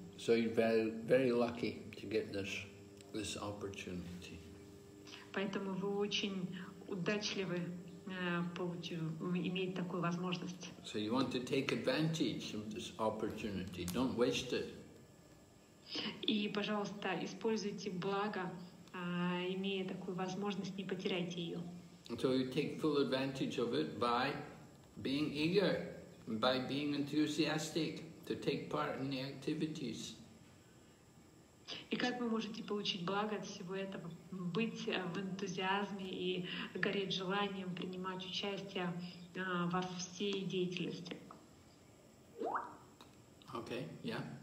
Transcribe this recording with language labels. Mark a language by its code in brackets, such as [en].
[en] So you're very, very lucky to get this opportunity. [ru] Поэтому вы очень удачливы иметь такую возможность. [en] So you want to take advantage of this opportunity. Don't waste it. [ru] И, пожалуйста, используйте благо, имея такую возможность, не потеряйте ее. [en] So you take full advantage of it by being eager, by being enthusiastic to take part in the activities. [ru] И как вы можете получить благо от всего этого? Быть в энтузиазме и гореть желанием принимать участие во всей деятельности. [en] Okay, yeah.